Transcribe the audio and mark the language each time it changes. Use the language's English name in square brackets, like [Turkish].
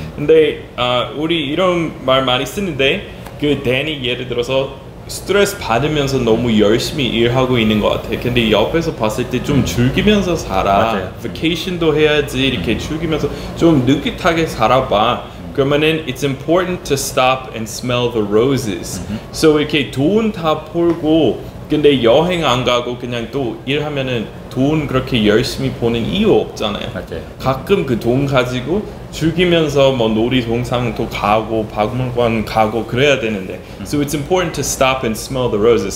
[Korean] 근데 우리 이런 말 많이 쓰는데 그 댄이 예를 들어서 스트레스 받으면서 너무 열심히 일하고 있는 것 같아. 근데 옆에서 봤을 때 좀 즐기면서 살아. 맞아요. 베케이션도 해야지 이렇게 즐기면서 좀 느긋하게 살아봐. 그러면은 [English] it's important to stop and smell the roses. [Korean] So 이렇게 돈 다 벌고 근데 여행 안 가고 그냥 또 일하면은 돈 그렇게 열심히 보는 이유 없잖아요. 맞아요. 가끔 그 돈 가지고 즐기면서 뭐 놀이동산도 가고 박물관 가고 그래야 되는데 [English] So it's important to stop and smell the roses.